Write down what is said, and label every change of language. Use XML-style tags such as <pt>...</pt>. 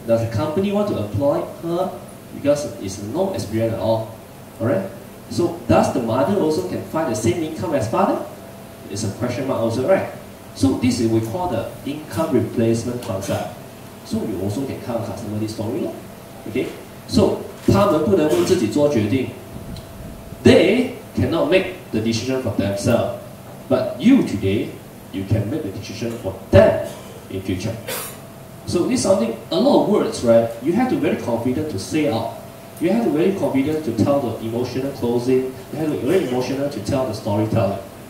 <en>Does the company want to employ her? Because it's no experience at all. Alright? So does the mother also can find the same income as father? It's a question mark also, right? So this is what we call the income replacement concept. So you also can tell a customer this story. Okay?</en> <zh>So 他们不能为自己做决定.</zh> <en>They cannot make the decision for themselves. But you today, you can make the decision for them in future. So this is something, a lot of words, right? You have to be very confident to say out. You have to be very confident to tell the emotional closing. You have to be very emotional to tell the storytelling.</en>